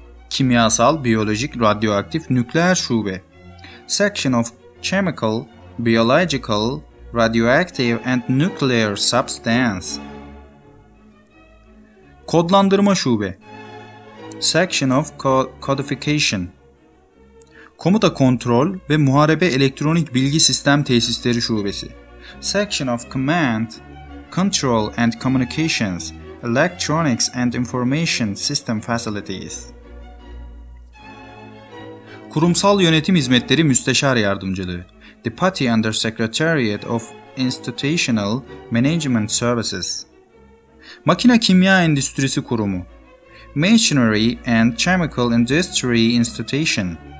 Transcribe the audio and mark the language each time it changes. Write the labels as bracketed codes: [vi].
[tr] Kimyasal, biyolojik, radyoaktif, nükleer şube. [en] Section of Chemical, Biological, Radioactive and Nuclear Substance. [tr] Kodlandırma şube. [en] Section of Codification. [tr] Komuta kontrol ve muharebe elektronik bilgi sistem tesisleri şubesi. [en] Section of Command, Control and Communications, Electronics and Information System Facilities. [tr] Kurumsal Yönetim Hizmetleri Müsteşar Yardımcılığı, [en] Deputy Under Secretariat of Institutional Management Services. [tr] Makine Kimya Endüstrisi Kurumu, [en] Machinery and Chemical Industry Institution.